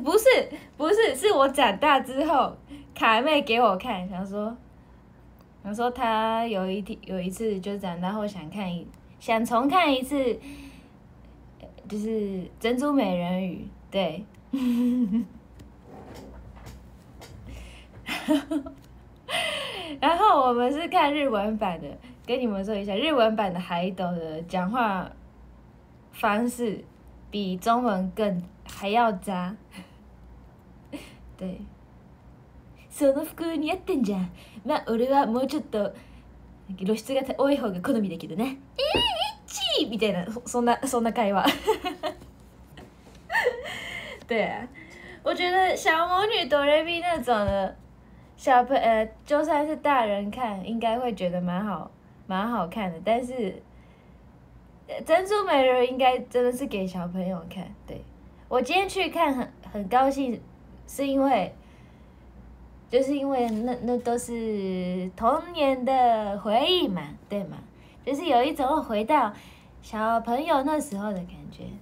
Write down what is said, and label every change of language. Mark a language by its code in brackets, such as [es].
[zh] 不是，是我长大之后，卡妹给我看，想说她有一次就长大后想重看一次，就是《珍珠美人鱼》，对，然后我们是看日文版的。跟你们说一下，日文版的海斗的讲话方式比中文更还要渣。 [ja] 对，その服に合ってんじゃん。まあ俺はもうちょっと露出が多い方が好みだけどね。イッチーみたいな、そんな会話。 [zh] 对啊，我觉得小魔女哆瑞咪那种的小朋友，就算是大人看，应该会觉得蛮好。蛮好看的，但是珍珠美人应该真的是给小朋友看。对，我今天去看很高兴，是因为就是因为那都是童年的回忆嘛，对嘛，就是有一种回到小朋友那时候的感觉。